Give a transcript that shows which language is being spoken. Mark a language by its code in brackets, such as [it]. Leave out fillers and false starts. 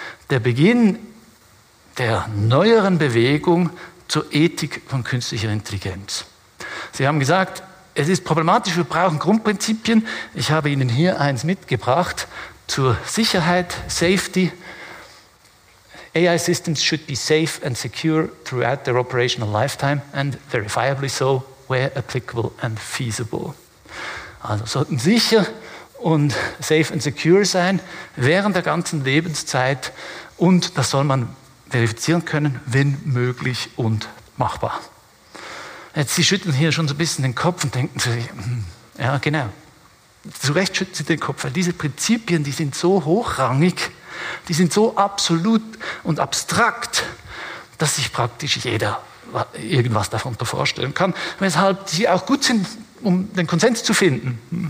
[de] der Beginn der neueren Bewegung zur Ethik von künstlicher Intelligenz. Sie haben gesagt, es ist problematisch, wir brauchen Grundprinzipien. Ich habe Ihnen hier eins mitgebracht zur Sicherheit, Safety. [en] AI systems should be safe and secure throughout their operational lifetime and verifiably so where applicable and feasible. [de] Also sollten sicher und [en] safe and secure [de] sein während der ganzen Lebenszeit und das soll man verifizieren können, wenn möglich und machbar. Jetzt, Sie schütteln hier schon so ein bisschen den Kopf und denken sich, ja genau, zu Recht schütteln Sie den Kopf, weil diese Prinzipien, die sind so hochrangig, die sind so absolut und abstrakt, dass sich praktisch jeder irgendwas davon vorstellen kann, weshalb sie auch gut sind, um den Konsens zu finden.